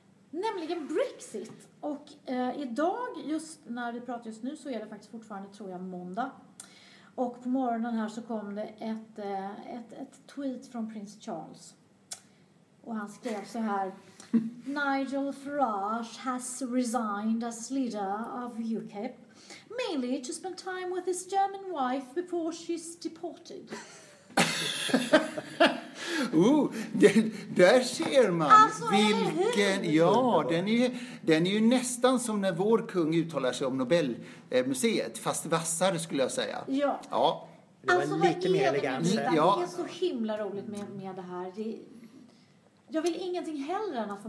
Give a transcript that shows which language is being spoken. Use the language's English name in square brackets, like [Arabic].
[Swedish] Nämligen Brexit. Och idag, just när vi pratar just nu, så är det faktiskt fortfarande, tror jag, måndag. Och på morgonen här så kom det ett tweet från prins Charles. Och han skrev så här: [English] Nigel Farage has resigned as leader of UKIP, mainly to spend time with his German wife before she's deported. [Swedish] Ooh, där ser man alltså, vilken, ja, den är ju nästan som när vår kung uttalar sig om Nobelmuseet, fast vassare skulle jag säga. Ja, ja. Det var alltså, lite mer elegant. Ja. Det är så himla roligt med det här. Jag vill ingenting hellre än att få.